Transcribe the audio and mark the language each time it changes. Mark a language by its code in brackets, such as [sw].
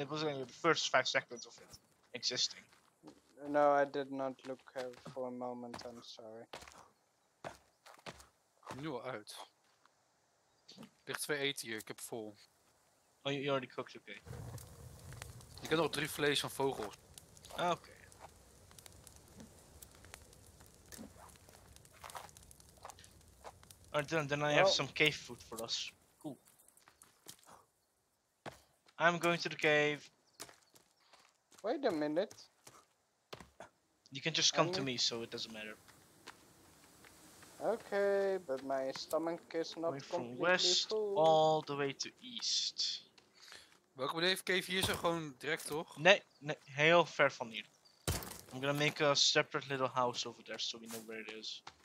[en] It was only the first 5 seconds of it existing. No, I did not look for a moment, I'm sorry. [nl] Nu al uit. Ligt 2 eten hier, ik heb vol. [en] Oh, you already cooked, okay. [nl] Ik heb nog 3 vlees van vogels. Oké. Okay. [en] Alright, then I have some cave food for us. Cool. I'm going to the cave. Wait a minute. You can just come to me, so it doesn't matter. Okay, but my stomach is not completely from west all the way to east. [nl] Welkom bij Dave Cave, hier is er gewoon direct, toch? Nee, heel ver van hier. [en] I'm gonna make a separate little house over there, so we know where it is.